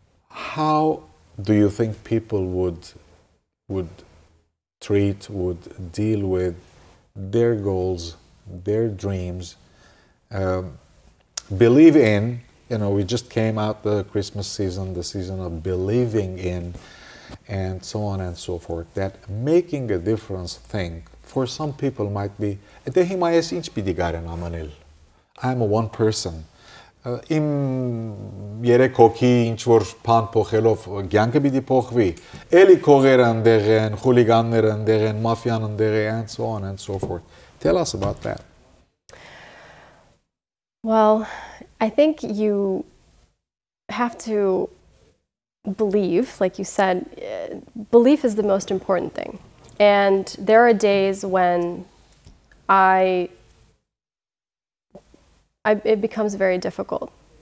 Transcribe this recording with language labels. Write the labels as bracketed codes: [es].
[en] How do you think people would treat, would deal with their goals, their dreams, believe in, you know, we just came out the Christmas season, the season of believing in, and so on and so forth, that making a difference thing for some people might be, I'm a one person. [hy] Իմ երեք հոգի ինչ-որ բան փոխելով կյանքը պիտի փոխվի, էլի քողերը ընդեղ են, խուլիգանները ընդեղ են, մաֆիան ընդեղ է, [en] and so on and so forth. Tell us about that. Well, I think you have to believe, like you said, belief is the most important thing. And there are days when it becomes very difficult.